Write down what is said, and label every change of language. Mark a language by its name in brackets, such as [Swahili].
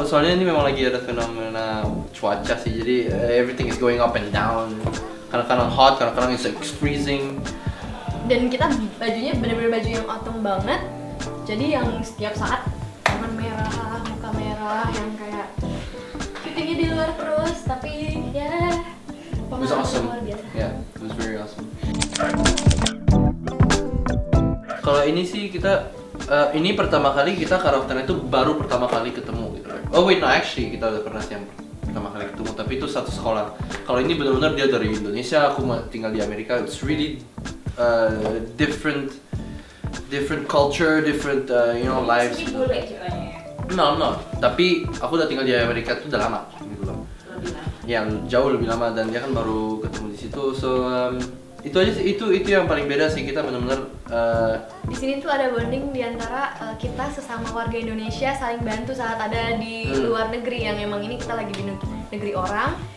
[Indonesian] Soalnya ini memang lagi ada fenomena cuaca sih. Jadi [English] everything is going up and down. [Indonesian] Kadang-kadang hot, kadang-kadang [English] it's like freezing. [Indonesian] Dan kita bajunya benar-benar baju yang autumn banget. Jadi yang setiap saat tangan merah, muka merah, yang kayak shootingnya di luar terus. Tapi ya, pengalaman awesome. Luar biasa. [English] Yeah, it was very awesome. [Indonesian] Kalau ini sih kita ini pertama kali kita karakternya itu baru pertama kali ketemu gitu. [English] Oh wait, no actually [Indonesian] kita udah pernah sih yang pertama kali ketemu, tapi itu satu sekolah. Kalau ini benar-benar dia dari Indonesia, aku tinggal di Amerika. [English] It's really different culture, different you know lives. [Indonesian] Sedikit bule ceritanya. [English] No, I'm not. [Indonesian] Tapi aku udah tinggal di Amerika itu udah lama gitu loh. Lebih lama. Ya, jauh lebih lama dan dia kan baru ketemu di situ. So itu aja sih, itu yang paling beda sih kita benar-benar di sini tuh ada bonding diantara kita sesama warga Indonesia saling bantu saat ada di luar negeri yang emang ini kita lagi di negeri orang.